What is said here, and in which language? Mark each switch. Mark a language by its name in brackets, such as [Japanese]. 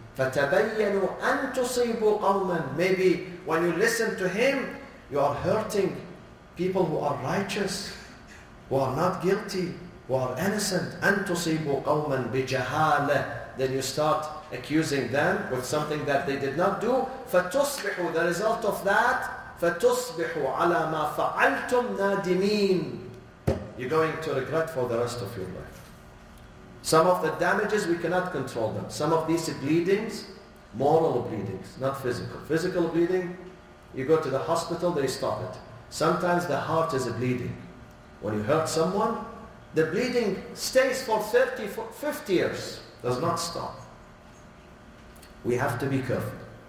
[Arabic] فَتَبَيَّنُوا أَن تُصِيبُوا قَوْمًا. [English] Maybe when you listen to him, you are hurting people who are righteous, who are not guilty, who are innocent. [Arabic] أَن تُصِيبُوا قَوْمًا بِجَهَالَةٍ. [English] Then you start accusing them with something that they did not do. [Arabic] فَتُصْبِحُوا, [English] the result of that, [Arabic] فَتُصْبِحُوا عَلَى مَا فَعَلْتُمْ نَادِمِينَ. [English] You're going to regret for the rest of your life. Some of the damages, we cannot control them. Some of these bleedings, moral bleedings, not physical. Physical bleeding, you go to the hospital, they stop it. Sometimes the heart is bleeding. When you hurt someone, the bleeding stays for 30, 50 years, does not stop. We have to be careful.